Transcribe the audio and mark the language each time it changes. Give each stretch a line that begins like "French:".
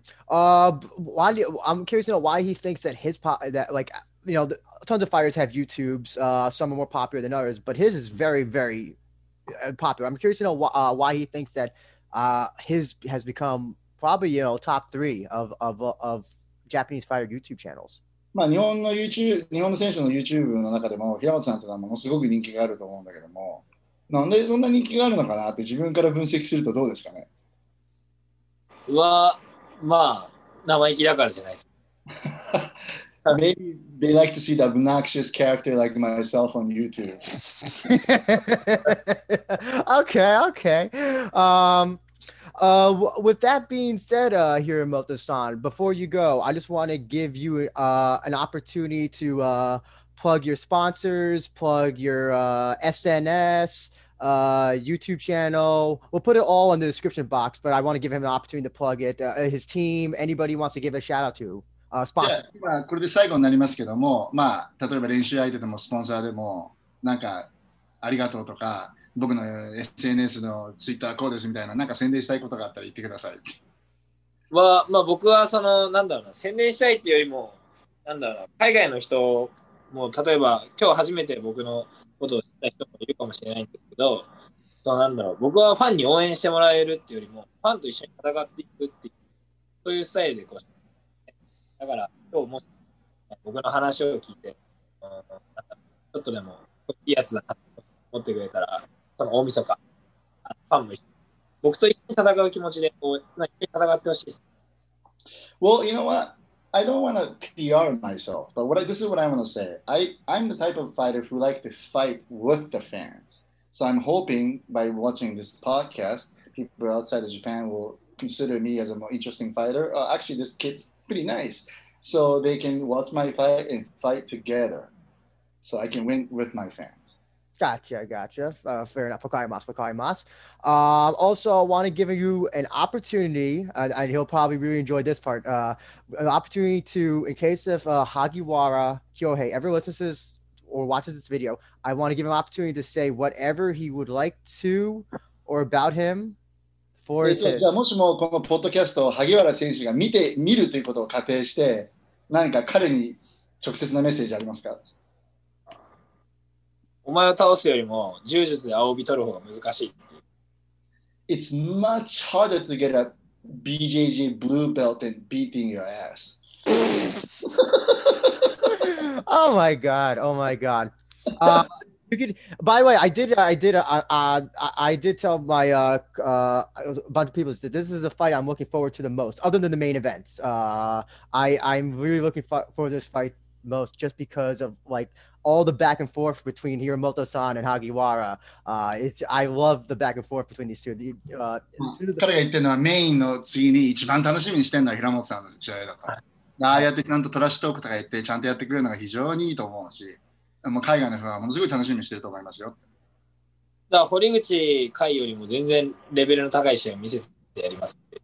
English: I'm curious to know why he thinks that his tons of fighters have YouTubes. Some are more popular than others, but his is very, very popular. I'm curious to know why he thinks that his has become probably top three of Japanese fighter YouTube channels.
Japanese: まあ日本の選手の YouTube の中でも平本さんってものすごく人気があると思うんだけども。なんでそんな人気があるのかなって自分から分析するとどうですかね。うわ、まあ生意気だからじゃないです。
English: Maybe they like to see the obnoxious character like myself on YouTube. Okay, okay. With that being said, Hiramoto-san, before you go, I just want to give you an opportunity to plug your sponsors, plug your SNS. YouTube channel. We'll put it all in the description box, but I want to give him an opportunity to plug it. His team, anybody wants to give a shout out to? Sponsor. Yeah,
Japanese: まあこれで最後になりますけども、まあ例えば練習相手でもスポンサーでもなんかありがとうとか、僕の SNS のツイッターこうですみたいななんか宣伝したいことがあったら言ってください。は、まあ僕はそのなんだろうな宣伝したいっていうよりもなんだろう海外の人を。もう例えば今日初めて僕のことを知った人もいるかもしれないんですけど、そうなんだろう、僕はファンに応援してもらえるっていうよりもファンと一緒に戦っていくっていうそういうスタイルでこう、だから今日もし僕の話を聞いて、ちょっとでもいいやつだなと思ってくれたら、その大晦日ファンも一緒僕と一緒に戦う気持ちで一緒に戦ってほしいです。
English: Well, you know whatI don't want to PR myself, but this is what I want to say. I'm the type of fighter who like to fight with the fans. So I'm hoping by watching this podcast, people outside of Japan will consider me as a more interesting fighter. Actually, this kid's pretty nice. So they can watch my fight and fight together. So I can win with my fans. Gotcha. Fair enough.
Japanese: Fukarimasu.
English: Also, I want to give you an opportunity, and he'll probably really enjoy this part, an opportunity to, in case if Hagiwara Kyohei ever listens to this or watches this video, I want to give him an opportunity to say whatever he would like to or about him for his.
Japanese: じゃあもしもこのポッドキャストを Hagiwara 選手が見るということを仮定して、何か彼に直接のメッセージありますか? お前を倒すよりも柔術で青帯取る方が難しい。
English: It's much harder to get a BJJ blue belt than beating your ass. Oh my god. You could, by the way, I did tell my a bunch of people that this is a fight I'm looking forward to the most, other than the main events. I'm really looking for this fight most just because of like. All the back and forth between Hiramoto-san and Hagiwara. I love the back and forth between these two.
Japanese: 彼が言ってるのはメインの次に一番楽しみにしてるのは Hiramoto さんの試合だと。ああやってちゃんとトラッシュトークとか言ってちゃんとやってくれるのが非常にいいと思うし、もう海外の人はものすごい楽しみにしてると思いますよ。だから堀口海よりも全然レベルの高い試合を見せてやります。